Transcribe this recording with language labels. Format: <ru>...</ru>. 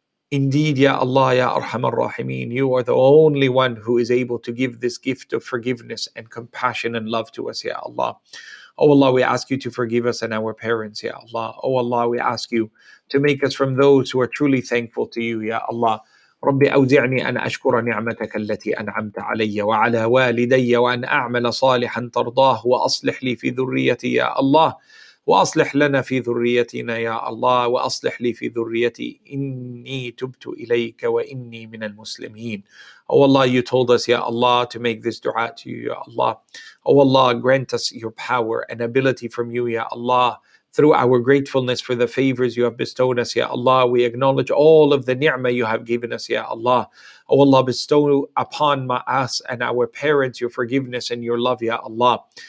<en>Indeed, Ya Allah, Ya Arhamar Rahimeen, you are the only one who is able to give this gift of forgiveness and compassion and love to us, Ya Allah. Oh Allah, we ask you to forgive us and our parents, Ya Allah. Oh Allah, we ask you to make us from those who are truly thankful to you, Ya Allah.</en> <ar>رب أودعني أن أشكر نعمتك التي أنعمت علي وعلى والدي وأن أعمل صالحا ترضاه وأصلح لي في ذريتي, يا الله. وأصلح لنا في ذريتنا يا الله وأصلح لي في ذريتي إني تبت إليك وإني من المسلمين.</ar> <en>Oh Allah, you told us, Ya Allah, to make this dua to you, Ya Allah. Oh Allah, grant us your power and ability from you, Ya Allah. Through our gratefulness for the favors you have bestowed us, Ya Allah, we acknowledge all of the ni'mah you have given us, Ya Allah. Oh Allah, bestow upon us and our parents your forgiveness and your love, Ya Allah.</en>